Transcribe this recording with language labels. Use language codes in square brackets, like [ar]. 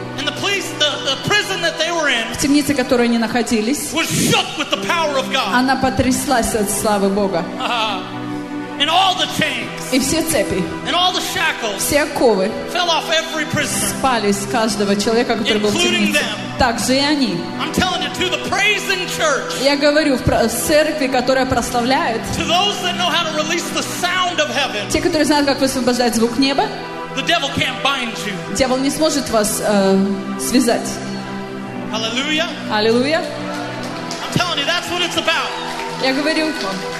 [en] And the place, the prison that they were in, [ru] в темнице, в которой они находились, [en] was shook with the power of God. [ru] Она потряслась от славы Бога. [en] And all the chains, [ru] и все цепи, [en] and all the shackles, [ru] все оковы, [en] fell off every prisoner, [ru] спали с каждого человека, который был в темнице. Так же и они. [en] I'm telling you, to the praising church, [ru] я говорю в церкви, которая прославляет, [en] to those that know how to release the sound of heaven, [ru] те, которые знают, как высвобождать звук неба, [en] the devil can't bind you. [ru] Дьявол не сможет вас связать. Hallelujah. Hallelujah. [en] I'm telling you, that's what it's about. [ru] Я говорю вам.